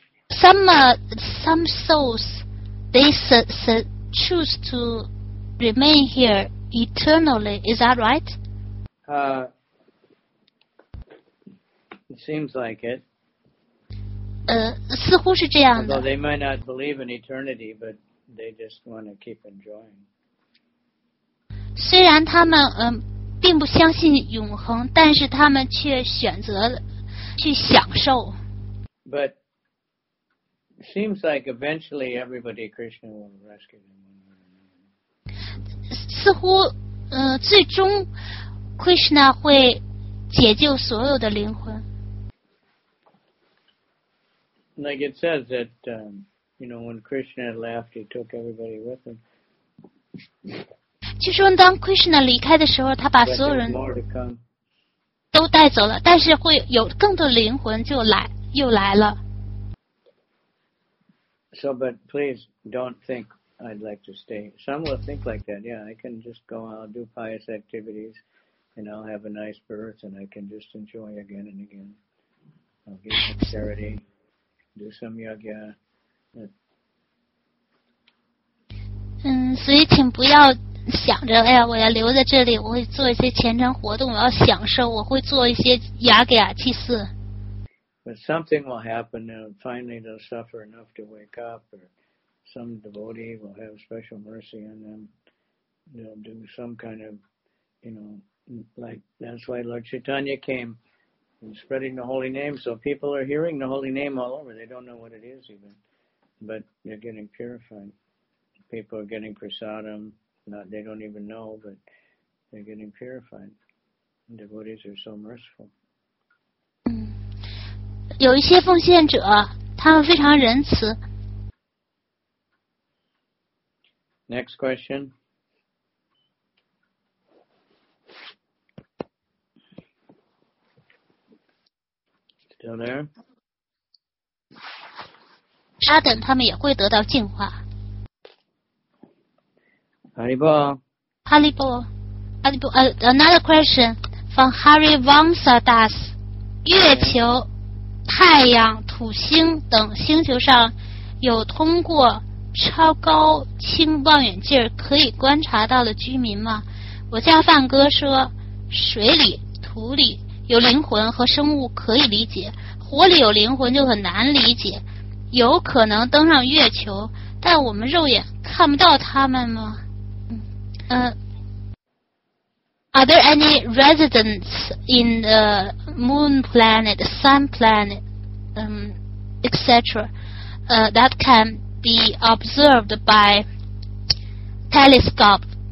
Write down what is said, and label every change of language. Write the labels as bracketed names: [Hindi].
[English] Some souls, they choose to remain here eternally. Is that right? It seems like it. [Chinese] 似乎是这样的。 [English] Although they might not believe in eternity, but they just want to keep enjoying. [Chinese] 虽然他们并不相信永恒，但是他们却选择去享受。 [English] But it seems like eventually everybody Krishna will rescue them. [Chinese] 似乎最终 Krishna 会解救所有的灵魂。 [English] Like it says that, you know, when Krishna left, he took everybody with him. [Chinese] 据说当 Krishna 离开的时候，他把所有人都带走了，但是会有更多灵魂就来，又来了。 [English] So, but please don't think I'd like to stay. Some will think like that. Yeah, I can just go out, do pious activities, and I'll have a nice birth, and I can just enjoy again and again. I'll give some charity. Do some yoga. [Chinese] 所以请不要想着，哎呀，我要留在这里，我会做一些虔诚活动，我要享受，我会做一些雅给雅祭祀。 [English] But something will happen, and finally they'll suffer enough to wake up, or some devotee will have special mercy on them. They'll do some kind of, you know, like that's why Lord Chaitanya came. And spreading the holy name, so people are hearing the holy name all over. They don't know what it is even, but they're getting purified. People are getting prasadam. Not, they don't even know, but they're getting purified. And devotees are so merciful. [Chinese] 有一些奉献者，他们非常仁慈。 [English] Next question. Still there? [Chinese] 沙等他们也会得到净化。 [English] Haribo. Another question from Hari Vansa Das. [Chinese] 月球、太阳、土星等星球上有通过超高清望远镜可以观察到的居民吗？我家范哥说，水里、土里有灵魂和生物可以理解，火里有灵魂就很难理解，有可能登上月球，但我们肉眼看不到他们吗？ [English] Are there any residents in the moon planet, sun planet, etc., that can be observed by telescope?